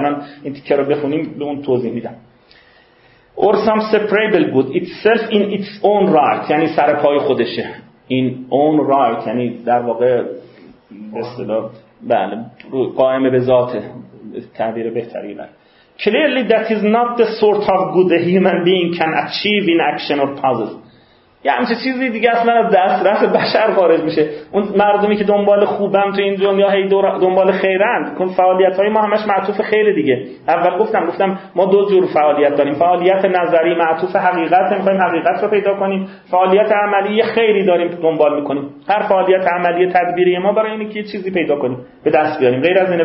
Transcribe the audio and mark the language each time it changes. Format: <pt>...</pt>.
<fa>الان این تیکه رو بخونیم به اون توضیح میدم.</fa> <en>Or some separable good itself in its own right،</en> <fa>یعنی سر پای خودشه، این اون رایت یعنی در واقع به اصطلاح بله قائم به ذاته، تعبیر بهتری بله.</fa> <en>Clearly that is not the sort of good a human being can achieve in action or puzzles،</en> <fa>یه همچه چیزی دیگه اصلا از دسترس بشر خارج میشه. اون مردمی که دنبال خوبن تو این دنیا هی دنبال خیرن، کن فعالیت های ما همش معطوف خیر دیگه. اول گفتم ما دو جور فعالیت داریم، فعالیت نظری معطوف حقیقت، میخوایم حقیقت رو پیدا کنیم، فعالیت عملی خیری داریم دنبال میکنیم. هر فعالیت عملی تدبیری ما برای اینه که یه چیزی پیدا کنیم به دست بیاریم، غیر از اینه.</fa>